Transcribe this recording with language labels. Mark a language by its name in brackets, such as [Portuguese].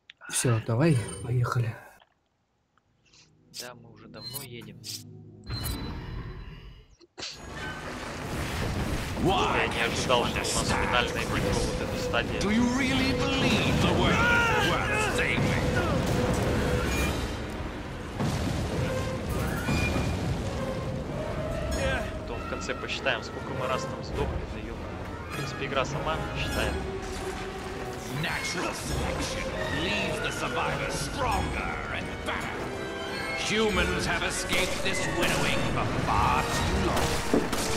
[Russian] Все, давай, поехали. Да, мы уже давно едем. Я не ожидал, что у нас финальная игра вот эта стадия. [English] Do you really believe the world is saving? [Russian] То в конце посчитаем, сколько мы раз там сдохли, да ё. В принципе, игра сама считает. [English] Natural selection leaves the survivors stronger and better. Humans have escaped this winnowing for far too long.